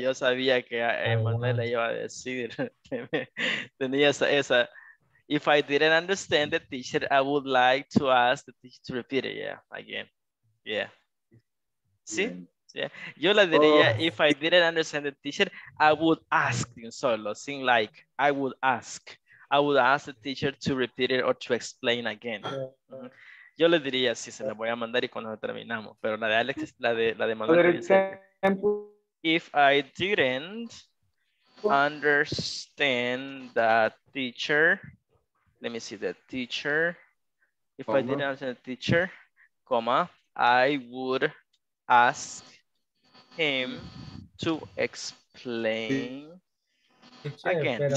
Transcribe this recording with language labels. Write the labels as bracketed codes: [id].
[es] Yo sabía que Emmanuel le iba a decir. Tenía esa. [en] If I didn't understand the teacher, I would like to ask the teacher to repeat it. Yeah, again. Yeah. ¿Sí? Yeah. [es] Yo le diría, [en] oh. If I didn't understand the teacher, I would ask, you solo, sin like, I would ask. I would ask the teacher to repeat it or to explain again. [es] Yo le diría, sí, se la voy a mandar y cuando terminamos. Pero la de Alex, la de Manuel. [en] If I didn't understand the teacher, let me see the teacher. If I didn't understand the teacher, comma, I would ask him to explain again.